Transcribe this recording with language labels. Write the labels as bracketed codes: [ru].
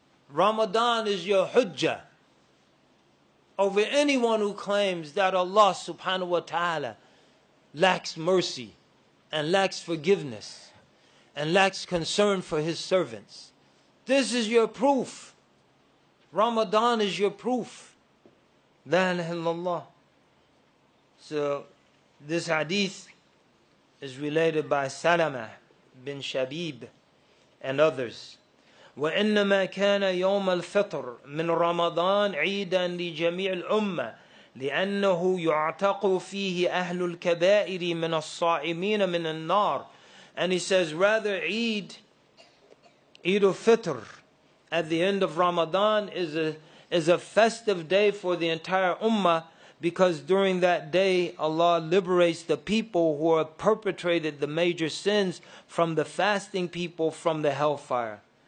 [en] Ramadan is your hujjah over anyone who claims that Allah subhanahu wa ta'ala lacks mercy and lacks forgiveness and lacks concern for His servants. This is your proof. Ramadan is your proof. [ar] La ilaha illallah. [en] So this hadith is related by Salama bin Shabib and others. [ar] وإنما كان يوم الفطر من رمضان عيدا لجميع الأمة لأنه يعتق فيه أهل الكبائر من الصائمين من النار. [en] And he says, rather Eid al-Fitr at the end of Ramadan is a festive day for the entire Ummah Because during that day, Allah liberates the people who have perpetrated the major sins from the fasting people from the hellfire.